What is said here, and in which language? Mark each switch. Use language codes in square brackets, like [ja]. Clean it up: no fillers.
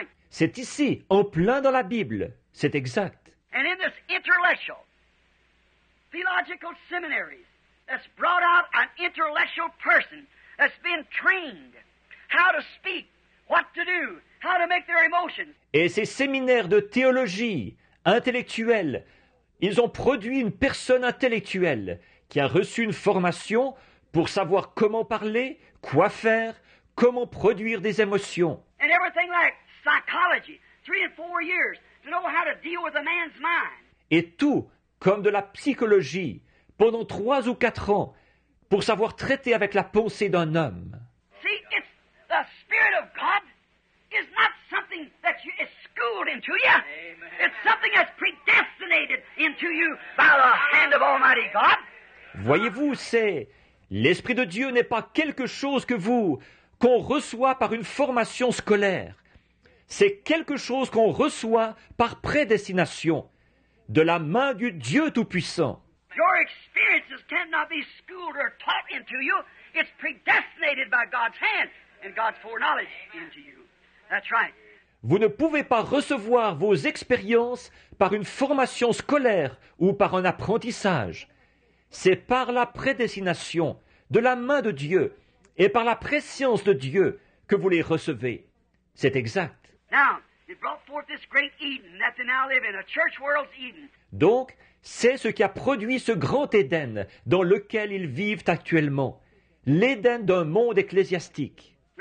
[fr] C'est ici, en plein dans la Bible. C'est exact. [en] And in this intellectual, theological seminary that's brought out an intellectual person that's been trained how to speak, what to do, how to make their emotions. [fr] Et ces séminaires de théologie intellectuelle, ils ont produit une personne intellectuelle qui a reçu une formation pour savoir comment parler, quoi faire, comment produire des émotions. [en] And everything like psychology, 3 and 4 years to know how to deal with a man's mind. [fr] Et tout, comme de la psychologie, pendant 3 ou 4 ans, pour savoir traiter avec la pensée d'un homme. [en] See, it's the Spirit of God is not something that you is schooled into you. Amen. It's something that's predestinated into you by the hand of Almighty God. [fr] Voyez-vous, c'est l'Esprit de Dieu n'est pas quelque chose que vous, qu'on reçoit par une formation scolaire. C'est quelque chose qu'on reçoit par prédestination, de la main du Dieu Tout-Puissant. [en] Your experiences cannot be schooled or taught into you. It's predestinated by God's hand and God's foreknowledge into you. That's right. [fr] Vous ne pouvez pas recevoir vos expériences par une formation scolaire ou par un apprentissage. C'est par la prédestination de la main de Dieu et par la préscience de Dieu que vous les recevez. C'est exact. [en] Now, it brought forth this great Eden that they now live in, a church world's Eden. [fr] Donc, c'est ce qui a produit ce grand Éden dans lequel ils vivent actuellement, l'Éden d'un monde ecclésiastique.